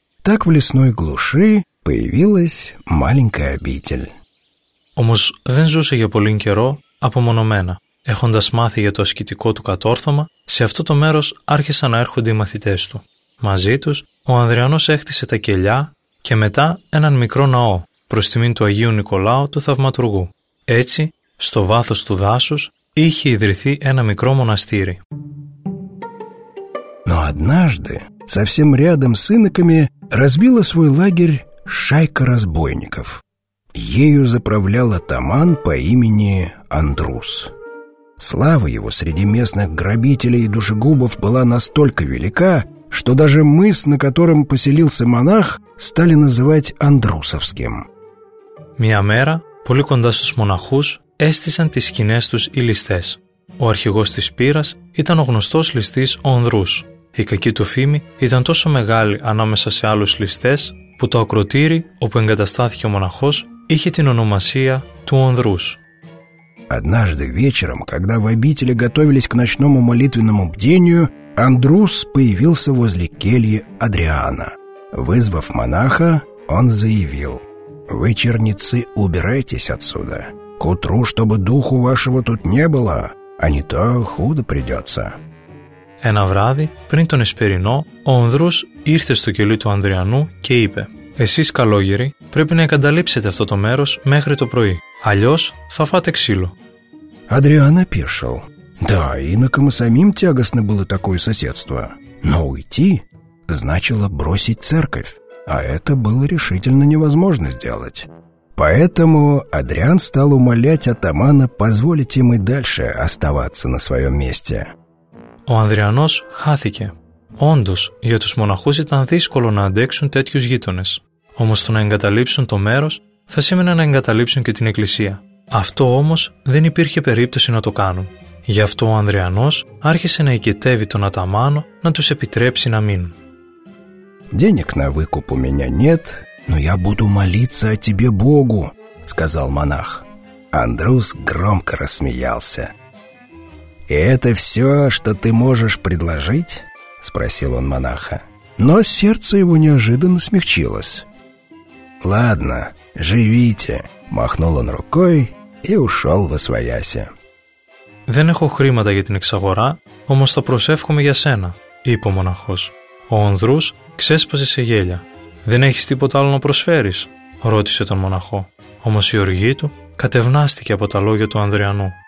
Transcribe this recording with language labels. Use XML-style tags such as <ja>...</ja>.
<ru>Так в лесной глуши появилась маленькая обитель.</ru> <el>Όμως δεν ζούσε για πολύ καιρό απομονωμένα. Έχοντας μάθει για το ασκητικό του κατόρθωμα, σε αυτό το μέρος άρχισαν να έρχονται οι μαθητές του. Μαζί τους, ο Ανδριανός έκτισε τα κελιά και μετά έναν μικρό ναό προς τιμήν του Αγίου Νικολάου του Θαυματουργού. Έτσι, στο βάθος του δάσους, είχε ιδρυθεί ένα μικρό μοναστήρι.</el> <ru>Но однажды, совсем рядом с иноками, разбила свой лагерь шайка разбойников. Ею заправлял атаман по имени Андрус. Слава его среди местных грабителей и душегубов была настолько велика, что даже мыс, на котором поселился монах, стали называть Андрусовским.</ru> <el>Мия мера, πολύ κοντά στους μοναχούς, έστησαν τις σκηνές τους οι ληστές. Ο αρχηγός της πύρας ήταν ο γνωστός ληστής ο Ανδρούς. Η κακή του φήμη ήταν τόσο μεγάλη ανάμεσα σε άλλους ληστές, που το ακροτήρι όπου εγκαταστάθηκε ο μοναχός είχε την ονομασία του Ανδρούς.</el> <ru>Однажды вечером, когда в обители готовились к ночному молитвенному бдению, Андрус появился возле кельи Адриана. Вызвав монаха, он заявил: «Вы, черницы, убирайтесь отсюда. К утру, чтобы духу вашего тут не было, а не то худо придется».</ru> <el>Ένα βράδυ, πριν τον εσπερινό, ο Ανδρούς ήρθε στο κελί του Ανδριανού και είπε: «Εσείς, καλόγεροι, πρέπει να εγκαταλείψετε αυτό το μέρος μέχρι το πρωί. Αλλιώς θα φάτε ξύλο».</el> <ru>Адриан опешил. Да, инокам и самим тягостно было такое соседство. Но уйти значило бросить церковь, а это было решительно невозможно сделать. Поэтому Адриан стал умолять атамана позволить им и дальше оставаться на своем месте.</ru> <el>Ο Ανδριανός χάθηκε. Όντως, για τους μοναχούς ήταν δύσκολο να αντέξουν τέτοιους γείτονες. Όμως το να εγκαταλείψουν το μέρος θα σήμαινε να εγκαταλείψουν και την εκκλησία. Αυτό όμως δεν υπήρχε περίπτωση να το κάνουν. Γι' αυτό ο Ανδριανός άρχισε να ικετεύει τον αταμάνο να τους επιτρέψει να μείνουν.</el> <ru>«Денег на выкуп у меня нет, но я буду молиться о тебе Богу», сказал монах. Андрус громко рассмеялся. «И это все, что ты можешь предложить?» — спросил он монаха. Но сердце его неожиданно смягчилось. «Ладно, живите», — махнул он рукой и ушел во свояси.</ru> <el>«Δεν έχω χρήματα για την εξαγορά, όμως θα προσεύχομαι για σένα», είπε ο μοναχός. Ο Ανδρούς ξέσπασε σε γέλια. «Δεν έχεις τίποτα άλλο να προσφέρεις?» ρώτησε τον μοναχό. Όμως η οργή του κατευνάστηκε από τα λόγια του Ανδριανού.</el>